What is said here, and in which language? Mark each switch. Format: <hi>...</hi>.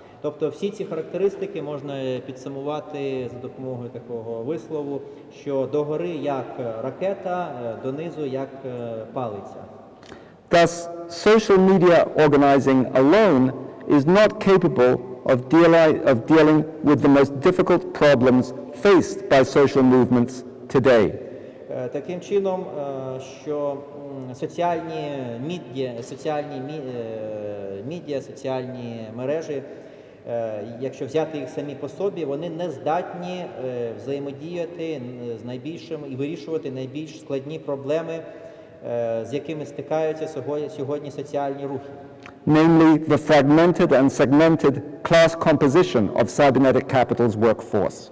<uk>Тобто всі ці характеристики можна підсумувати за допомогою такого вислову, що догори як ракета, донизу як палиця.</uk> <en>Thus, social media organizing alone is not capable of dealing with the most difficult problems faced by social movements today.</en> <uk>Таким чином, що соціальні мережі, якщо взяти їх самі по собі, вони не здатні взаємодіяти з найбільшим і вирішувати найбільш складні проблеми, з якими стикаються сьогодні соціальні рухи.</uk> <en>Namely, the fragmented and segmented class composition of cybernetic capital's workforce.</en>